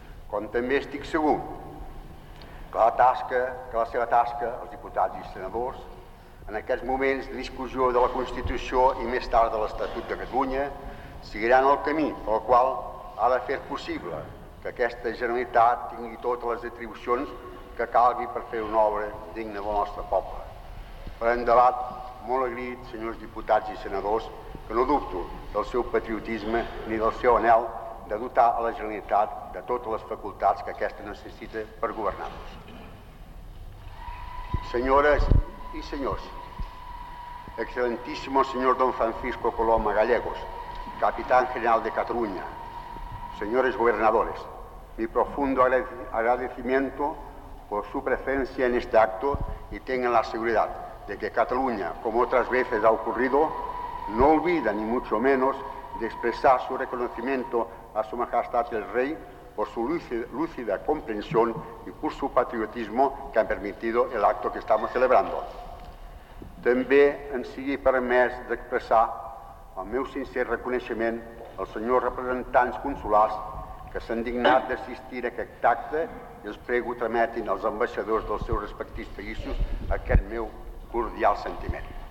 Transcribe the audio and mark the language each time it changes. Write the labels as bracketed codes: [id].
[ca] Com també estic segur que la seva tasca, els diputats i senadors, en aquests moments de discussió de la Constitució i més tard de l'Estatut de Catalunya, seguiran el camí pel qual ha de fer possible que aquesta Generalitat tingui totes les atribucions que calgui per fer una obra digna del nostre poble. Per endavant, molt agraït, senyors diputats i senadors, que no dubto del seu patriotisme ni del seu anhel de dotar a la Generalitat de totes les facultats que aquesta necessita per governar-nos. Senyores i senyors, [es] excelentíssimo senyor Don Francisco Coloma Gallegos, capitán general de Cataluña, señores gobernadores, mi profundo agradecimiento por su presencia en este acto y tengan la seguridad de que Cataluña, como otras veces ha ocurrido, no olvida ni mucho menos de expresar su reconocimiento a su majestad el rey por su lúcida comprensión y por su patriotismo que han permitido el acto que estamos celebrando. También [ca] en sigui permès d'expressar el meu sincer reconeixement als senyors representants consulars que s'han dignat d'assistir a aquest acte i els prego trametin als ambaixadors dels seus respectius països aquest meu cordial sentiment.